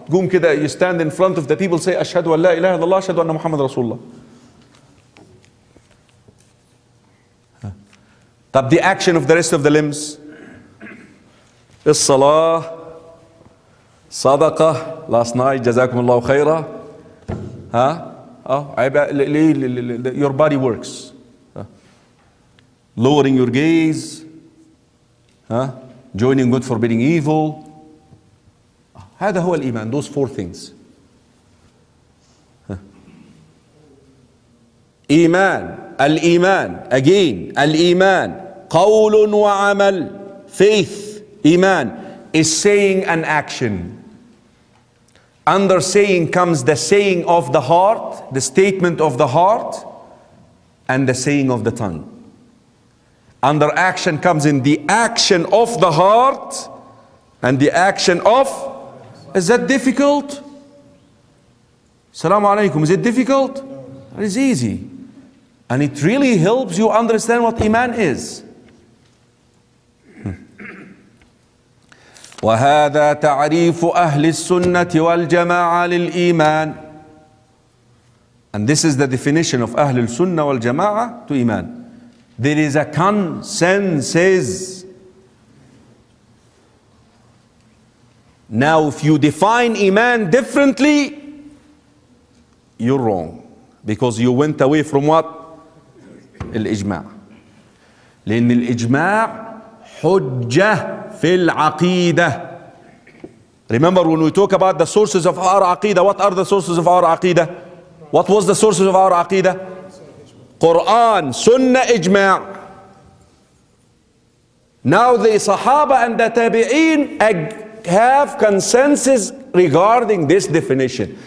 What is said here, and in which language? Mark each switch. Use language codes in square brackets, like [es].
[ar] قوم كده, [en] you stand in front of the people, say [ar] أشهد أن لا إله إلا الله, أشهد أن محمد رسول الله. [en] طب the action of the rest of the limbs. [ar] الصلاة, صدقة, [en] last night, [ar] جزاكم الله خيرا. [en] ها؟ اه your body works. Lowering your gaze. Joining good, forbidding evil. [ar] هذا هو الإيمان, [en] those four things. [ar] إيمان, الإيمان, again, الإيمان, قول وعمل, faith, إيمان, [en] is saying an action. Under saying comes the saying of the heart, the statement of the heart, and the saying of the tongue. Under action comes in the action of the heart and the action of. Is that difficult? Assalamu alaikum. Is it difficult? It is easy. And it really helps you understand what Iman is. [ar] وهذا تعريف أهل السنة والجماعة للإيمان. [en] And this is the definition of أهل السنة والجماعة to Iman. There is a consensus. Now, if you define Iman differently, you're wrong. Because you went away from what? Al-Ijma'. [ar] لأن الإجماع حجة في العقيدة. [en] Remember when we talk about the sources of our Aqidah, what are the sources of our Aqidah? What was the sources of our Aqidah? Quran, Sunnah, Ijma'. Now the Sahaba and the Tabi'een have consensus regarding this definition.